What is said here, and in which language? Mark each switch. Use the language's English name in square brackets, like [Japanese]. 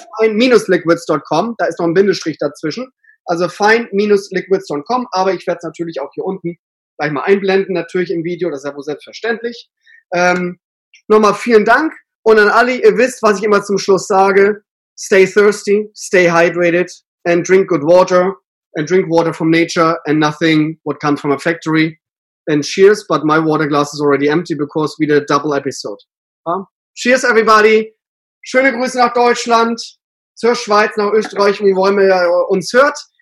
[German] fine-liquids.com. Da ist noch ein Bindestrich dazwischen. Also fine-liquids.com. Aber ich werde es natürlich auch hier unten gleich mal einblenden, natürlich im Video. Das ist ja wohl selbstverständlich. Nochmal vielen Dank. Und an alle, ihr wisst, was ich immer zum Schluss sage. [English] Stay thirsty, stay hydrated. And drink good water, and drink water from nature, and nothing what comes from a factory. And cheers, but my water glass is already empty because we did a double episode. Cheers, everybody. [German] Schöne Grüße nach Deutschland, zur Schweiz, nach Österreich, wie wollen wir uns hört.